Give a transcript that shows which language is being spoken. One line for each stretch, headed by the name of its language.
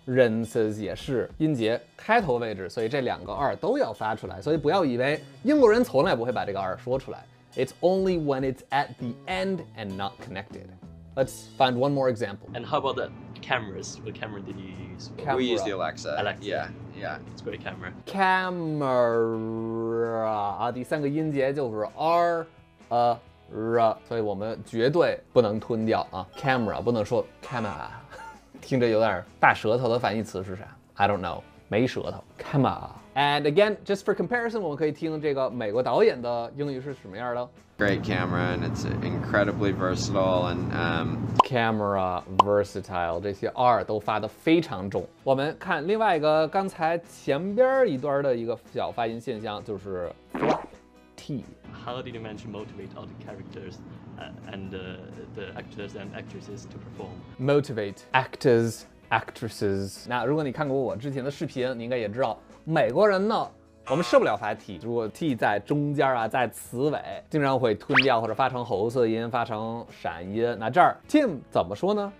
Chinese: Rences 也是音节开头位置，所以这两个 R 都要发出来，所以不要以为英国人从来不会把这个 R 说出来。
English: It's only when it's at the end and not connected. Let's find one more example. And how about the cameras? What camera did you use? We use the Alexa. Alexa. Yeah, yeah. It's a great camera. Camera.
Chinese: 啊，第三个音节就是 R, a, r, 所以我们绝对不能吞掉啊。 Camera, 不能说 camera. 听着有点大舌头的反义词是啥？
English: I don't know.
Chinese: 没舌头。Camera.
English: And again, just for comparison,
Chinese: 我们可以听这个美国导演的英语是什么样的。
English: Great camera, and it's incredibly versatile. And
Chinese: camera versatile, 这些 R 都发得非常重。我们看另外一个刚才前边一段的一个小发音现象，就是 flat T.
English: How did you manage to motivate all the characters and the actors and actresses to perform? Motivate actors, actresses.
Chinese: 那如果你看过我之前的视频，你应该也知道。美国人呢我们受不了发 T， 如果 T 在中间啊在词尾经常会吞掉或者发成喉色音发成闪音，那这儿 Tim 怎么说呢？